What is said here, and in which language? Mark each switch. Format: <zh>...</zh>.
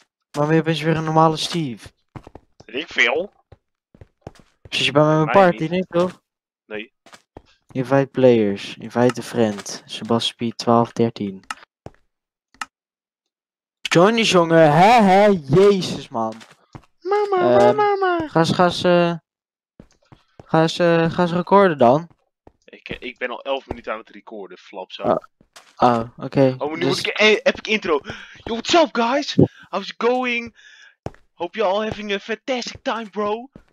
<nl>Waarom ben je weer een normale Steve? Ik veel. Zit je bij mijn party, niet. Denk ik, toch? Nee.</nl> <en>Invite players, invite a friend. Sebastian 1213.</en> <nl>Join die jongen, hè, jezus man. Mama. Ga ze recorden dan. Ik ben al 11 minuten aan het recorden, flapzo. Oké.</nl> <en>Okay.</en> <nl>Oh, maar nu dus... moet ik een epic intro.</nl> <en>Yo, what's up guys? How's it going? Hope you're all having a fantastic time, bro.</en>